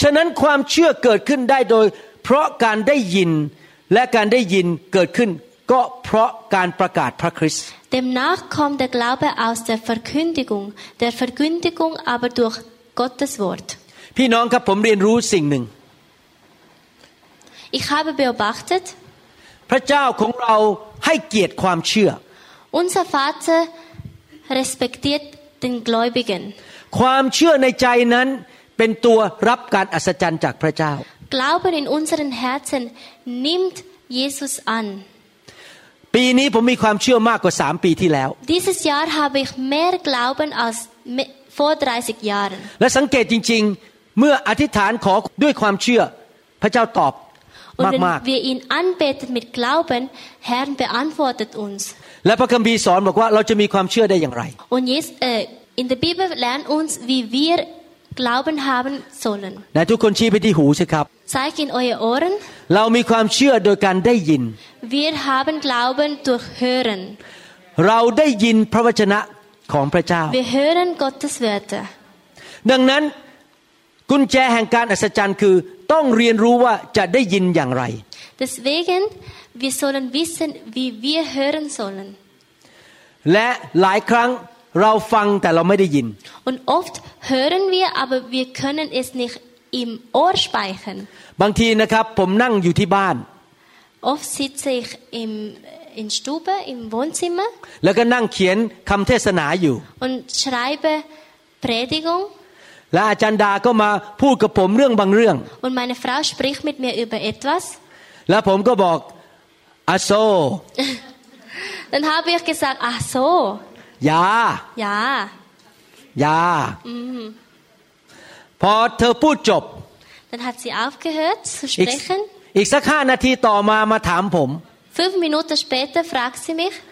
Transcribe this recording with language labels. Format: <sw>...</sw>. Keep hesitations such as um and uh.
<th>ฉะนั้นความเชื่อเกิดขึ้นได้โดยเพราะการได้ยินและการได้ยินเกิดขึ้นก็เพราะการประกาศพระคริสต์</th> <de>Demnach kommt der Glaube aus der Verkündigung der Verkündigung aber durch Gottes Wort</de> <th>พี่น้องครับผมเรียนรู้สิ่งหนึ่ง</th> <de>Ich habe beobachtet</de> <th>พระเจ้าของเราให้เกียรติความเชื่อ</th> <de>Unser Vater respektiert den Gläubigen</de> <th>ความเชื่อในใจนั้นเป็นตัวรับการอัศจรรย์จากพระเจ้า</th> <de>Glauben in unseren Herzen nimmt Jesus an</de> <th>ปีนี้ผมมีความเชื่อมากกว่า 3 ปีที่แล้ว</th> <de>Dieses Jahr habe ich mehr Glauben als vor 30 Jahren</de> <th>และสังเกตจริง ๆเมื่ออธิษฐานขอด้วยความเชื่อพระเจ้าตอบมากมาก</th> <de>wir ihn anbeten mit glauben herr beantwortet uns</de> <th>และพระคัมภีร์สอนบอกว่าเราจะมีความเชื่อได้อย่างไร</th> <de>und jetzt äh, in der bibel lernt uns wie wir glauben haben sollen</de> <th>นายทุกคนชี้ไปที่หูสิครับ</th> <de>zeigen eure ohren</de> <th>เรามีความเชื่อโดยการได้ยิน</th> <de>wir haben glauben durch hören</de> <th>เราได้ยินพระวจนะของพระเจ้า</th> <de>wir hören gottes werte</de> <th>ดังนั้นุญแจแห่งการอัศจรรย์คือต้องเรียนรู้ว่าจะได้ยินอย่างไร</th> <de>deswegen wir sollen wissen wie wir hören sollen</de> <th>และหลายครั้งเราฟังแต่เราไม่ได้ยิน</th> <de>und oft hören wir aber wir können es nicht im Ohr speichern</de> <th>บางทีนะครับผมนั่งอยู่ที่บ้าน</th> <de>oft sitze ich im in Stube im Wohnzimmer</de> <th>แล้วก็นั่งเขียนคำเทศนาอยู่</th> <de>und schreibe Predigung</de> <th>และอาจารย์ดาก็มาพูดกับผมเรื่องบางเรื่อง</th> <de>Und meine Frau spricht mit mir über etwas</de> <th>แล้วผมก็บอกอโซ</th> <de>Dann habe ich gesagt</de> <th>อโซยายา ยาพอเธอพูดจบ</th> <de>Dann hat sie aufgehört zu sprechen</de> <th>อีกสักห้านาทีต่อมา มาถามผม</th> <de>Fünf Minuten später fragt sie mich</de>